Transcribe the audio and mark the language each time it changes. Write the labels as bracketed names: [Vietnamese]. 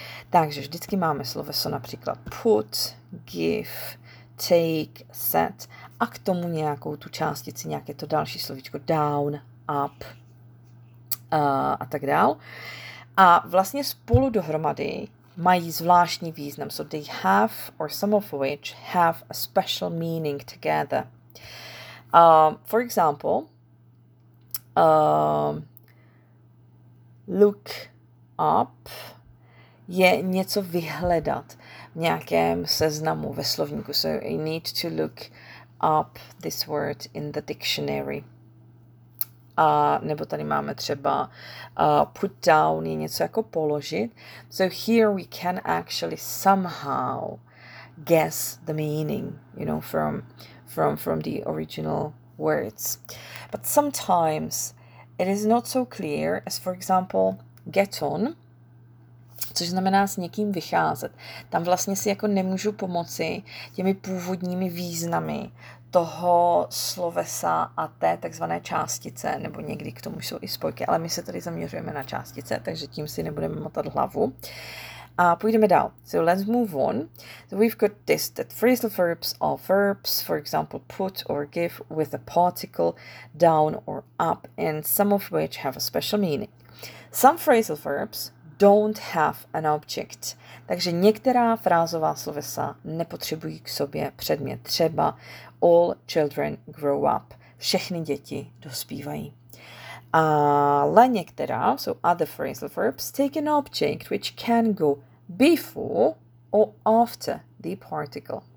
[Czech] Takže vždycky máme sloveso například put, give, take, set a k tomu nějakou tu částici, nějaké to další slovíčko down, up a tak dál. A vlastně spolu dohromady mají zvláštní význam. [English] So they have, or some of which, have a special meaning together. For example, look [Czech] up je něco vyhledat v nějakém seznamu ve slovníku. [English] So I need to look up this word in the dictionary. [Czech] A nebo tady máme třeba put down je něco jako položit. [English] So here we can actually somehow guess the meaning, you know, from the original words. But sometimes it is not so clear, as for example, get on, [Czech] což znamená s někým vycházet. Tam vlastně si jako nemůžu pomoci těmi původními významy toho slovesa a té takzvané částice, nebo někdy k tomu jsou i spojky, ale my se tady zaměřujeme na částice, takže tím si nebudeme motat hlavu. A půjdeme dál. [English] So let's move on. So we've got this, that phrasal verbs are verbs, for example, put or give with a particle, down or up, and some of which have a special meaning. Some phrasal verbs don't have an object. [Czech] Takže některá frázová slovesa nepotřebují k sobě předmět. Třeba [English] all children grow up. [Czech] Všechny děti dospívají. Ale některá, [English] so other phrasal verbs, take an object which can go before or after the particle.